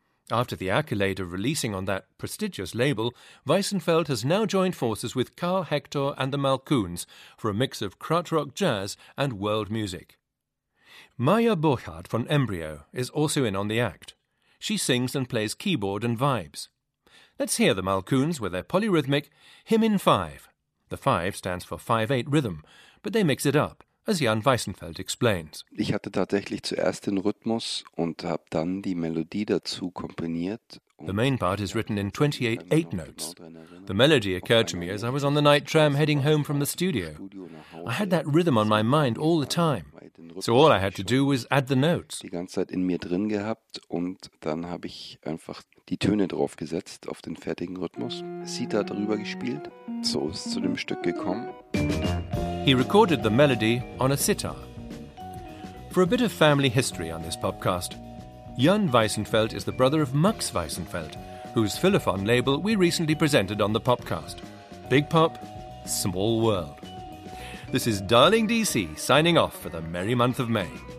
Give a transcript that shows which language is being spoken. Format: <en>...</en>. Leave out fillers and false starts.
<en>After the accolade of releasing on that prestigious label, Weissenfeld has now joined forces with Karl Hector and the Malkoons for a mix of krautrock jazz and world music. Maya Burchard from Embryo is also in on the act. She sings and plays keyboard and vibes. Let's hear the Malkoons with their polyrhythmic Hymn in Five. The five stands for 5/8 rhythm, but they mix it up. As Jan Weissenfeld explains.</en> <de>Ich hatte tatsächlich zuerst den Rhythmus und habe dann die Melodie dazu komponiert.</de> <en>The main part is written in 28 eight notes. The melody occurred to me as I was on the night tram heading home from the studio. I had that rhythm on my mind all the time. So all I had to do was add the notes.</en> <de>Die ganze Zeit in mir drin gehabt und dann habe ich einfach die Töne draufgesetzt auf den fertigen Rhythmus. Sita darüber gespielt. So ist es zu dem Stück gekommen.</de> <en>He recorded the melody on a sitar. For a bit of family history on this podcast, Jan Weissenfeld is the brother of Max Weissenfeld, whose Philophon label we recently presented on the podcast. Big Pop, Small World. This is Darling DC signing off for the merry month of May.</en>